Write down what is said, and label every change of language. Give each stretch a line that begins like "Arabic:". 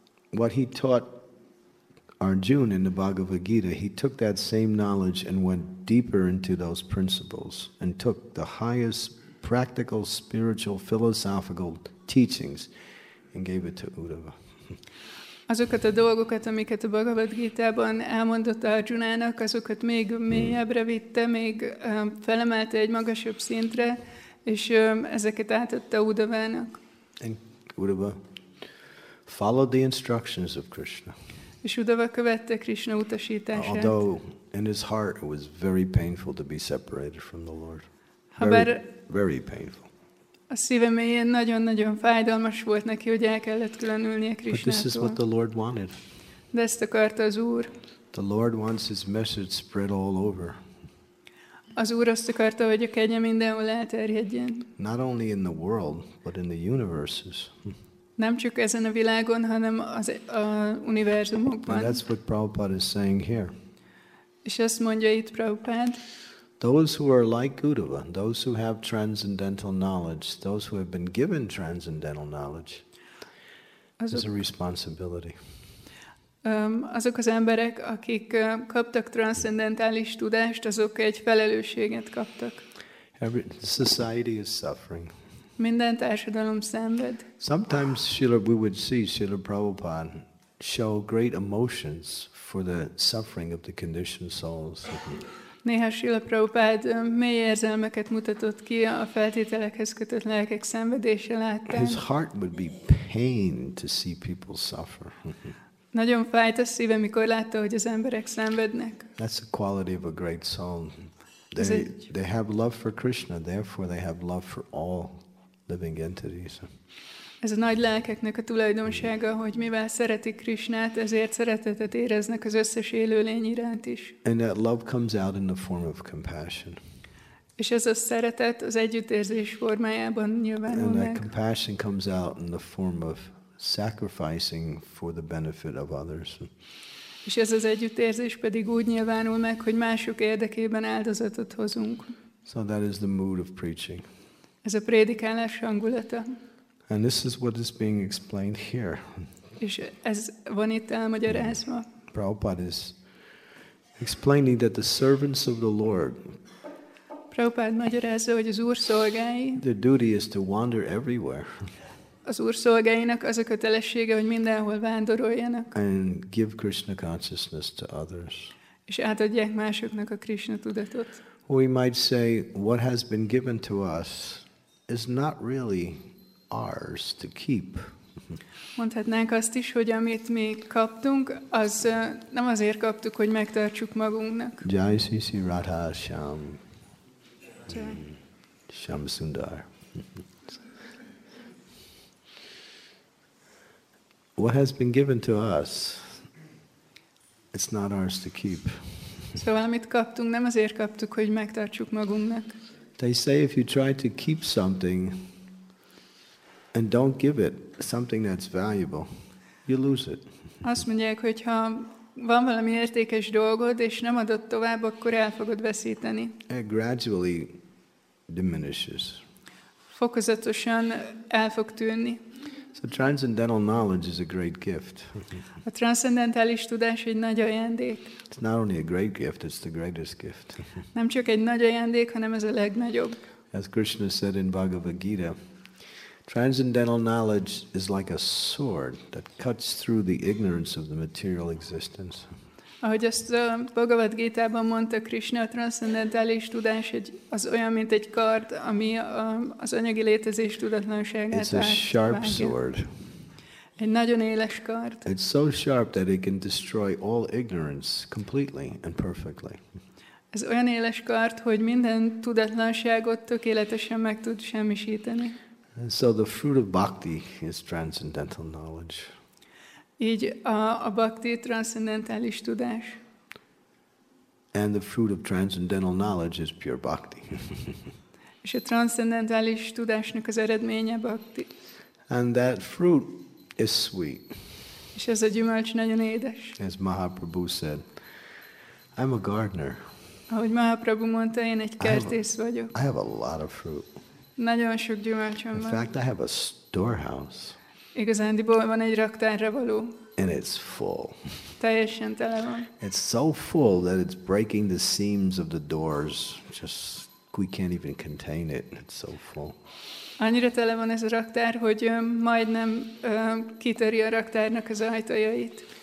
English: What he taught Arjuna in the Bhagavad Gita, he took that same knowledge and went deeper into those principles and took the highest practical, spiritual, philosophical teachings and gave it to Uddhava.
Hungarian: Azokat a dolgokat, amiket a Bhagavad Gita-ban elmondott Arjunának, azokat még mélyebbre vitte, még felemelte egy magasabb szintre, és ezeket átadta Uddhavának.
English: And Uddhava followed the instructions of Krishna.
Hungarian: És Uddhava követte Krishna utasítását.
English: Although in his heart it was very painful to be separated from the Lord. Very painful.
Hungarian: A szíve mélyén nagyon-nagyon fájdalmas volt neki, hogy el kellett különülnie Krishnától.
English: But this is what the Lord wanted.
Hungarian: De ezt akarta az Úr.
English: The Lord wants his message spread all over.
Hungarian: Az Úr azt akarta, hogy a kegye mindenhol elterjedjen.
English: Not only in the world, but in the universes.
Hungarian: Nem csak ezen a világon, hanem a univerzumokban.
English: And that's what Prabhupada is saying here.
Hungarian: És azt mondja itt Prabhupád.
English: Those who are like Uddhava, those who have transcendental knowledge, those who have been given transcendental knowledge, is a responsibility.
Hungarian: Azok az emberek, akik kaptak transzcendentális tudást, azok egy felelősséget kaptak.
English: Every society is suffering.
Hungarian: Minden társadalom szenved.
English: Sometimes we would see Srila Prabhupada show great emotions for the suffering of the conditioned souls.
Hungarian: Néha Srila Prabhupada mély érzelmeket mutatott ki a feltételekhez kötött lelkek szenvedése láttán.
English: His heart would be pain to see people suffer.
Hungarian: Nagyon fájt a szíve, mikor látta, hogy az emberek szenvednek.
English: That's the quality of a great soul. They have love for Krishna, therefore they have love for all living entities.
Hungarian: Ez a nagy lelkeknek a tulajdonsága, hogy mivel szeretik Krishnát, ezért szeretetet éreznek az összes élőlény iránt is.
English: And that love comes out in the form of compassion.
Hungarian: És ez a szeretet az együttérzés formájában nyilvánul meg.
English: And that compassion comes out in the form of sacrificing for the benefit of others.
Hungarian: És ez az együttérzés pedig úgy nyilvánul meg, hogy mások érdekében áldozatot hozunk.
English: So that is the mood of preaching.
Hungarian: Ez a prédikálás hangulata.
English: And this is what is being explained here.
Hungarian: És ez van itt elmagyarázva.
English: Prabhupada is explaining that the servants of the Lord.
Hungarian: Prabhupada magyarázza, hogy az Úr szolgái.
English: Their duty is to wander everywhere.
Hungarian: Az Úr szolgáinak az a kötelessége, hogy mindenhol vándoroljanak.
English: And give Krishna consciousness to others.
Hungarian: És átadják másoknak a Krishna tudatot.
English: We might say what has been given to us is not really ours to keep.
Hungarian: Mondhatnánk azt is, hogy amit mi kaptunk, az nem azért kaptuk, hogy megtartsuk magunknak.
Sanskrit: Jai Sri Sri Radha Shyam Shyam Sundar.
English: What has been given to us, it's not ours to keep.
Hungarian: Szóval amit kaptunk, nem azért kaptuk, hogy megtartsuk magunknak.
English: They say if you try to keep something and don't give it something that's valuable, you lose it.
Hungarian: Azt mondják, hogy ha van valami értékes dolgod és nem adod tovább, akkor el fogod veszíteni.
English: It gradually diminishes.
Hungarian: Fokozatosan el fog tűnni.
English: So transcendental knowledge is a great gift.
Hungarian: A transzcendentális tudás egy nagy ajándék.
English: It's not only a great gift, it's the greatest gift.
Hungarian: Nem csak egy nagy ajándék, hanem ez a legnagyobb.
English: As Krishna said in Bhagavad Gita, transcendental knowledge is like a sword that cuts through the ignorance of the material existence.
Hungarian: Ahogy azt a Bhagavad Gita-ban mondta Krishna, a transzcendentális tudás az olyan, mint egy kard, ami az anyagi létezés tudatlanságát vágja.
English: It's a sharp sword.
Hungarian: Egy nagyon éles kard.
English: It's so sharp that it can destroy all ignorance completely and perfectly.
Hungarian: Ez olyan éles kard, hogy minden tudatlanságot tökéletesen meg tud semmisíteni.
English: And so the fruit of bhakti is transcendental knowledge.
Hungarian: Így a bhakti transzcendentális tudás.
English: And the fruit of transcendental knowledge is pure bhakti.
Hungarian: És a transzcendentális tudásnak az eredménye bhakti.
English: And that fruit is sweet.
Hungarian: És ez a gyümölcs nagyon édes.
English: As Mahaprabhu said, I'm a gardener.
Hungarian: Ahogy Mahaprabhu mondta, én egy kertész vagyok.
English: I have a lot of fruit.
Hungarian: Nagyon sok gyümölcsöm van.
English: In fact, I have a storehouse.
Hungarian: Igazándiból van egy raktárra való.
English: And it's full.
Hungarian: Teljesen tele van.
English: It's so full that it's breaking the seams of the doors. Just, we can't even contain it. It's so full.
Hungarian: Annyira tele van ez a raktár, hogy majdnem kitöri a raktárnak az ajtajait.